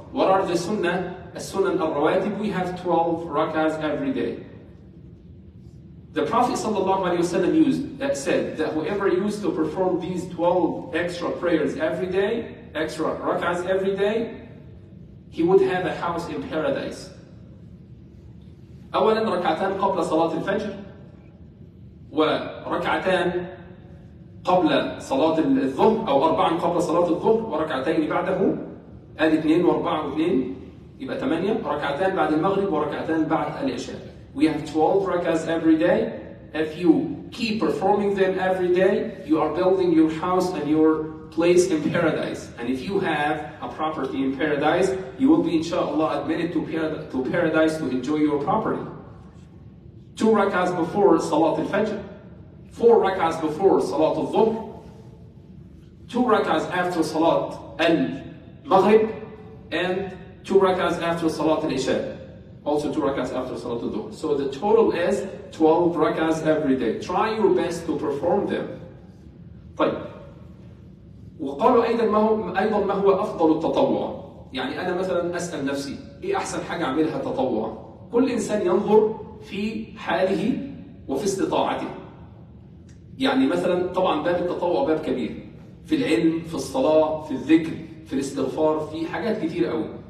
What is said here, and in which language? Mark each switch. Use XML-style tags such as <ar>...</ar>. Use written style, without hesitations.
<en>What are the sunnah? As-sunan al-rawatib, we have 12 rak'ahs every day. The Prophet ﷺ said that whoever used to perform these 12 extra prayers every day, extra rak'ahs every day, he would have a house in paradise.</en> <ar>أولاً ركعتان قبل صلاة الفجر وركعتان قبل صلاة الظهر أو أربعاً قبل صلاة الظهر وركعتين بعده هذه 2 و4 و2 يبقى 8 ركعتان بعد المغرب وركعتان بعد العشاء.</ar> <en>We have 12 rak'ahs every day. If you keep performing them every day, you are building your house and your place in paradise. And if you have a property in paradise, you will be inshallah admitted to paradise to enjoy your property. 2 rak'ahs before Salat al-Fajr, 4 rak'ahs before Salat al-Dhuhr, 2 rak'ahs after Salat al-Maghrib, and 2 rak'ahs after Salat al-Isha, also 2 rak'ahs after Salat al-Dhuhr. So the total is 12 rak'ahs every day. Try your best to perform them.</en> <ar>طيب. وقالوا أيضا ما هو أفضل التطوع؟ يعني أنا مثلا أسأل نفسي ايه احسن حاجه اعملها تطوع. كل انسان ينظر في حاله وفي استطاعته. يعني مثلا طبعا باب التطوع باب كبير، في العلم، في الصلاه، في الذكر، في الاستغفار، في حاجات كتير قوي.</ar>